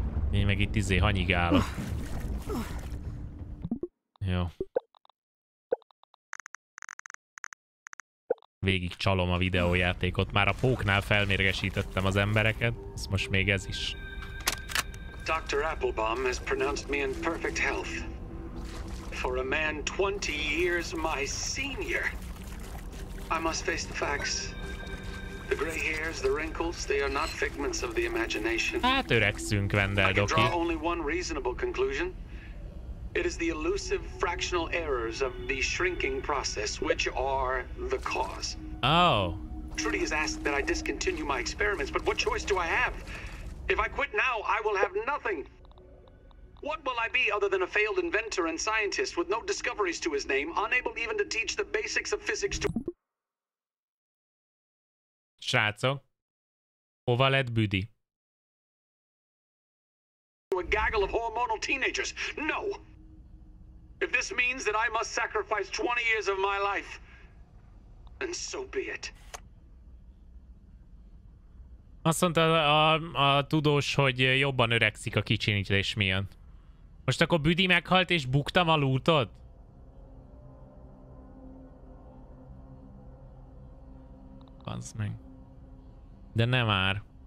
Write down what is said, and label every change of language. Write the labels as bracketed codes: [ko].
[hu] Én meg itt izé hanyigálok. Jó. Végig csalom a videójátékot. Már a póknál felmérgesítettem az embereket. Ez most még ez is. [en] Dr. Applebaum has pronounced me in perfect health. For a man 20 years my senior. I must face the facts. The gray hairs, the wrinkles, they are not figments of the imagination. [hu] Hát öregszünk, Wendell Doki. [en] I can draw only one reasonable conclusion. It is the elusive fractional errors of the shrinking process which are the cause. Oh. Trudy has asked that I discontinue my experiments, but what choice do I have? If I quit now, I will have nothing. What will I be other than a failed inventor and scientist with no discoveries to his name, unable even to teach the basics of physics to... [hu] Srácok, hova lett Büdi? [en] A gaggle of hormonal teenagers. No! If this means that I must sacrifice 20 years of my life, then so be it. [hu] Azt mondta a tudós, hogy jobban öregszik a kicsinyítés miatt. Most akkor Büdi meghalt és buktam a lootot? Bazd meg. De nem már.